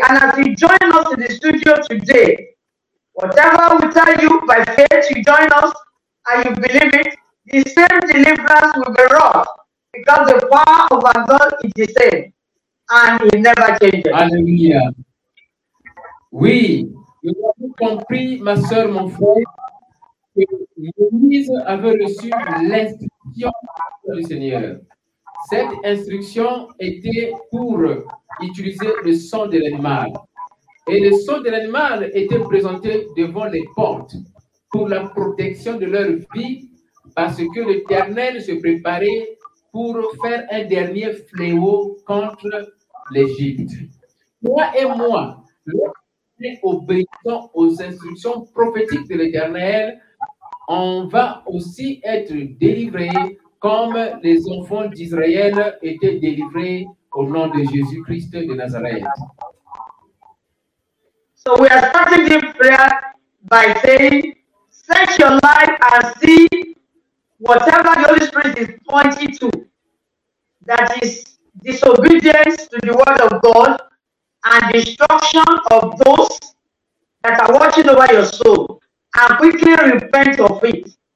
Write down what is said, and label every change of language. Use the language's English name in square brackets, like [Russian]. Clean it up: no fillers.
[English] And as you join us in the studio today, whatever we tell you by faith, you join us and you believe it, the same deliverance will be wrought, because the power of our God is the same and it never changes. Hallelujah. [French] Oui, vous avez compris, ma soeur, mon frère, que Moïse avait reçu l'instruction du Seigneur. Cette instruction était pour utiliser le sang de l'animal. Et le sang de l'animal était présenté devant les portes pour la protection de leur vie, parce que l'Éternel se préparait pour faire un dernier fléau contre l'Égypte. Toi et moi, nous obéissons aux instructions prophétiques de l'Éternel, on va aussi être délivrés comme les enfants d'Israël étaient délivrés au nom de Jésus-Christ de Nazareth. [English] So we are starting this prayer by saying, set your life and see whatever the Holy Spirit is pointing to, that is disobedience to the word of God and destruction of those that are watching over your soul, and quickly repent of it.